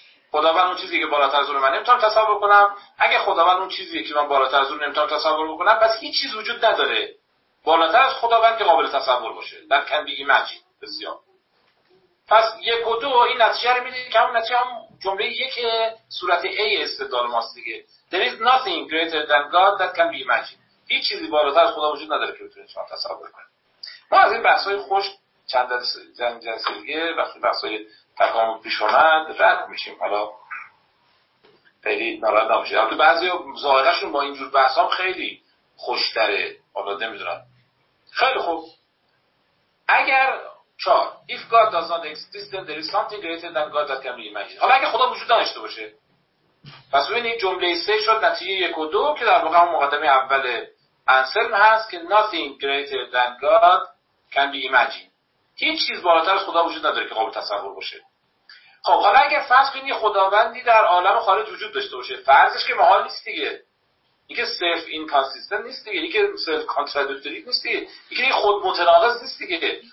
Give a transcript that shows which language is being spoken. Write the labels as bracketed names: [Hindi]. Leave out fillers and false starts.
[Persian] خداوند اون چیزی که بالاتر از اون من نمیتونم تصور کنم. اگه خداوند اون چیزی که من بالاتر از اون نمیتونم تصور بکنم، پس هیچ چیز وجود نداره بالاتر از خداوند که قابل تصور باشه. در کندی ایمجی بسیار. پس یک و دو این نتیجه رو میده که همون نتیجه هم جمله یک صورت ای استدلال ماست دیگه. [English] There is nothing greater than God that can be imagined. [Persian] هیچ چیزی بالاتر از خدا وجود نداره که بتونید شما تصور کنید. ما از این بحث‌های خوش چند جلسه دیگه وقتی بحث‌های تکامل پیش اومد رد میشیم. حالا خیلی ناراحت نباشید. البته بعضی ظاهرشون با اینجور بحث‌ها خیلی خوش‌تره. حالا نمی‌دونم. خیلی خوب. اگر چهار [English] if God does not exist then there is something greater than God that can be imagined. [Persian] حالا اگه خدا وجود داشته باشه، پس ببینید جمله 3 شد نتیجه 1 و 2 که در واقع مقدمه اول انسلم هست که [English] nothing greater than God can be imagined. [Persian] هیچ چیز بالاتر از خدا وجود نداره که قابل تصور باشه. خب حالا اگه فرض کنیم یه خداوندی در عالم خارج وجود داشته باشه، فرضش که محال نیست دیگه، اینکه سلف اینکانسیستنت نیست دیگه، اینکه سلف کانترادیکتوری نیست دیگه، اینکه خود متناقض نیست دیگه.